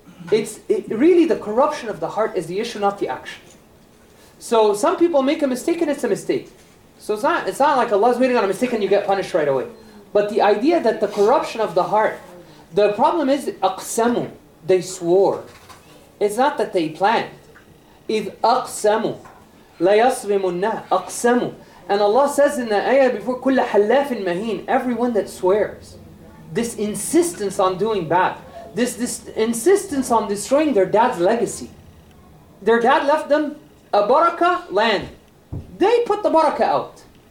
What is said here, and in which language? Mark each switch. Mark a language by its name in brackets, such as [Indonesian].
[English] It's really the corruption of the heart is the issue, not the action. So some people make a mistake and it's a mistake. So it's not like Allah's waiting on a mistake and you get punished right away. But the idea that the corruption of the heart, the problem is أقسموا, they swore. It's not that they planned. [Arabic] إذ أقسموا ليصرمنه أقسموا. [English] And Allah says in the ayah before, [Arabic] كل حلاف مهين, [English] everyone that swears. This insistence on doing bad. This insistence on destroying their dad's legacy. Their dad left them a barakah land. They put the barakah out.